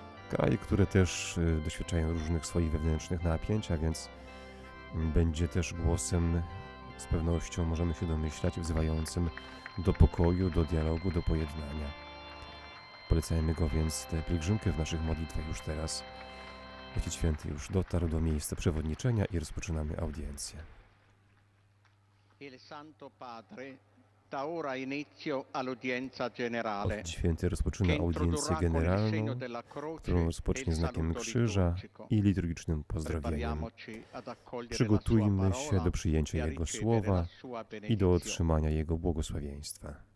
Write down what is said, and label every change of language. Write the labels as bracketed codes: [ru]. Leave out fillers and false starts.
[pl] Kraje, które też doświadczają różnych swoich wewnętrznych napięć, a więc będzie też głosem, z pewnością możemy się domyślać, wzywającym do pokoju, do dialogu, do pojednania. Polecajmy go więc tę pielgrzymkę w naszych modlitwach już teraz. Ojciec Święty już dotarł do miejsca przewodniczenia i rozpoczynamy audiencję. [it] Il Santo Padre da ora inizio all'udienza generale. [pl] Ojciec Święty rozpoczyna audiencję generalną, którą rozpocznie znakiem krzyża i liturgicznym pozdrowieniem. Przygotujmy się do przyjęcia Jego słowa i do otrzymania Jego błogosławieństwa.